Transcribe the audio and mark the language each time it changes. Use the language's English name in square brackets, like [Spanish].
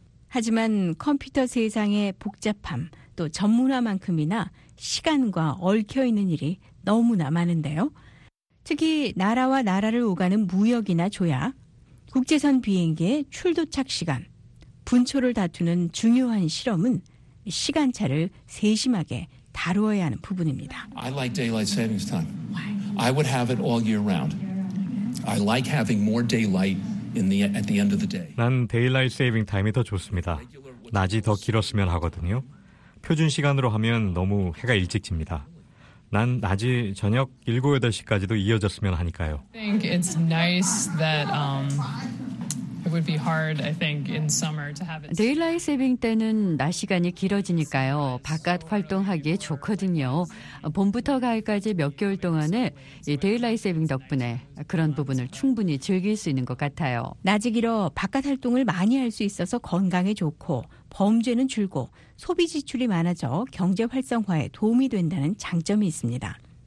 [Korean] 하지만 컴퓨터 세상의 복잡함 또 전문화만큼이나 시간과 얽혀있는 일이 너무나 많은데요. 특히 나라와 나라를 오가는 무역이나 조약, 국제선 비행기의 출도착 시간, 분초를 다투는 중요한 실험은 시간차를 세심하게 다루어야 하는 부분입니다. [English] I like daylight savings time. I would have it all year round. I like having more daylight at the end of the day. [Korean] 난 데일라이트 세이빙 타임이 더 좋습니다. 낮이 더 길었으면 하거든요. 표준 시간으로 하면 너무 해가 일찍 집니다. 난 낮이 저녁 7, 8시까지도 이어졌으면 하니까요. [English] I think it's nice that it would be hard, I think, in summer to have it. [Korean] 데일라이트 세이빙 때는 낮 시간이 길어지니까요. 바깥 활동하기에 좋거든요. 봄부터 가을까지 몇 개월 동안에 이 데일라이트 세이빙 덕분에 그런 부분을 충분히 즐길 수 있는 것 같아요. 낮이 길어 바깥 활동을 많이 할 수 있어서 건강에 좋고 범죄는 줄고 소비 지출이 많아져 경제 활성화에 도움이 된다는 장점이 있습니다.